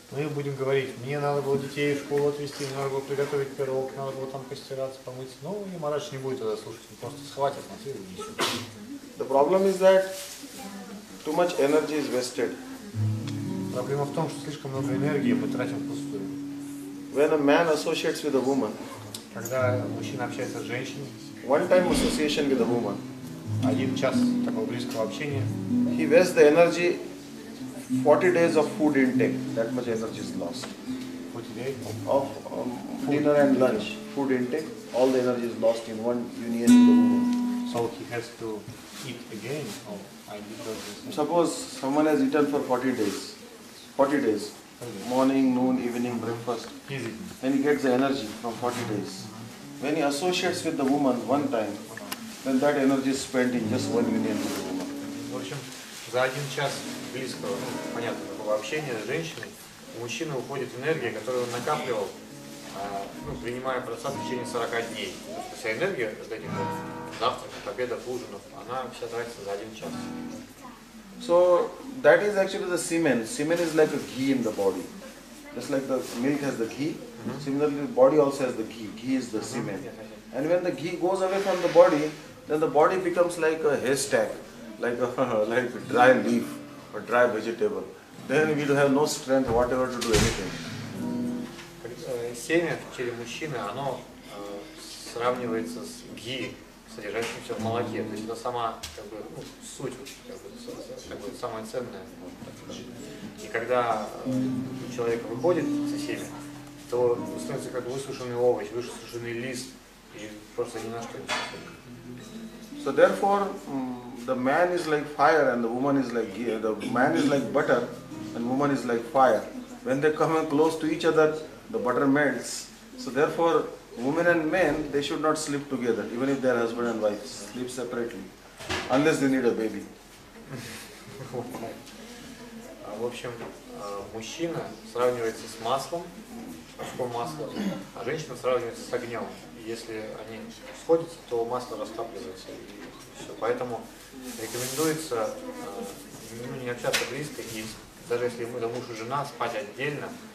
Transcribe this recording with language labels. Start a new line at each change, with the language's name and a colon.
Russian: Мы будем говорить, мне надо было детей в школу отвезти, мне надо было приготовить пирог, надо было там постираться, помыться. Ну, и Мараш не будет тогда слушать, просто схватит нас и унесет.
English: The problem is that too much energy is wasted.
Russian: Проблема в том, что слишком много энергии мы тратим впустую.
English: When a man associates with a woman,
Russian: когда мужчина общается с женщиной,
English: one time association with a woman,
Russian: один час такого близкого общения,
English: he wastes the energy. 40 days of food intake, that much energy is lost. 40 days? Of dinner and lunch, food intake, all the energy is lost in one union with the woman. So he has to eat again? Suppose someone has eaten for 40 days, morning, noon, evening, breakfast, then he gets the energy from 40 days. When he associates with the woman one time, then that energy is spent in just one union with the woman.
Russian: За один час близкого, такого общения с женщиной, у мужчины уходит энергия, которую он накапливал, принимая просад в течение 40 дней. Вся энергия, ждать его завтрак, победа, ужинов, она вся тратится за один час.
English: So That is actually the semen. Semen is like a ghee in the body. Just like the milk has the ghee, similarly the body also has the ghee. Ghee is the semen. And when the ghee goes away from the body, then the body becomes like a haystack, like a dry leaf or dry vegetable. Then we will have no strength whatever to do anything.
Russian: Семя в теле мужчины, оно сравнивается с ги, содержащимся в молоке. То есть это сама как бы, ну, суть, как бы, самое ценное. И когда человек выходит со семя, то становится как высушенный овощ, высушенный лист, и просто ни на что не способен.
English: So therefore, the man is like fire and the woman is like ghee. The man is like butter and woman is like fire. When they come close to each other, the butter melts. So therefore, women and men, they should not sleep together, even if their husband and wife sleep separately, unless they need a baby.
Russian: В общем, мужчина сравнивается с маслом, куском масла, а женщина сравнивается с огнем. Если они сходятся, то масло растапливается. Все. Поэтому рекомендуется не общаться близко, и даже если это муж и жена, спать отдельно.